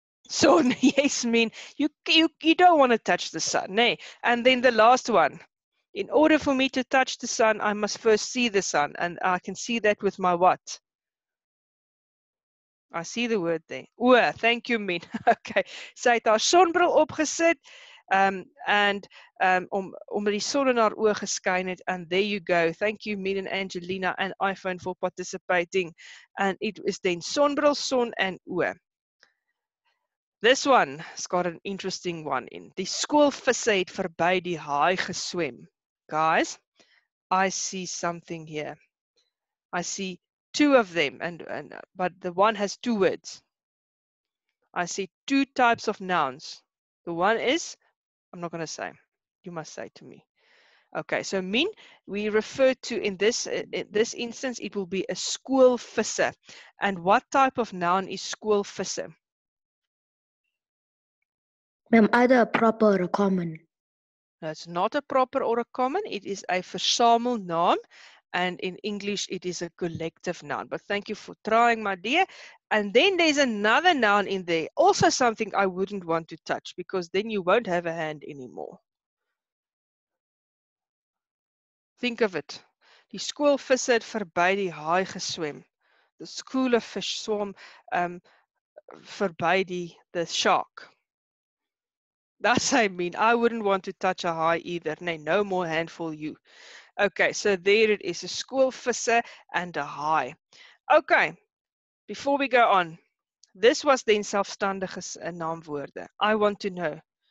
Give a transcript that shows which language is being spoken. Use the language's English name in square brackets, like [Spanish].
[English] So, yes, Min, you don't want to touch the sun. Nay. And then the last one. In order for me to touch the sun, I must first see the sun. And I can see that with my what? I see the word there. Oe, thank you, Min. Okay. [Afrikaans] Sy het haar sonbril opgesit. Om die son in haar oë geskyn het. [English] And there you go. Thank you, Min and Angelina and iPhone for participating. And it is then sonbril, son en oë. This one has got an interesting one in. [Afrikaans] Die skoolvisse het verby die haai geswem. [English] Guys, I see something here. I see two of them, but the one has two words. I see two types of nouns. The one is, I'm not going to say, you must say to me. Okay, so Min, we refer to in this instance, it will be a school visser. And what type of noun is school visser? Either a proper or a common. No, it's not a proper or a common. It is a versamel noun. And in English, it is a collective noun. But thank you for trying, my dear. And then there's another noun in there. Also something I wouldn't want to touch because then you won't have a hand anymore. Think of it. [Afrikaans] Die skoolvisse het verby die haai geswem. [English] The school of fish swam verby the shark. That's what I mean. I wouldn't want to touch a high either. Nay, no more hand for you. Okay, so there it is. A school visser and a high. Okay, before we go on. This was then selfstandige naamwoorde. I want to know.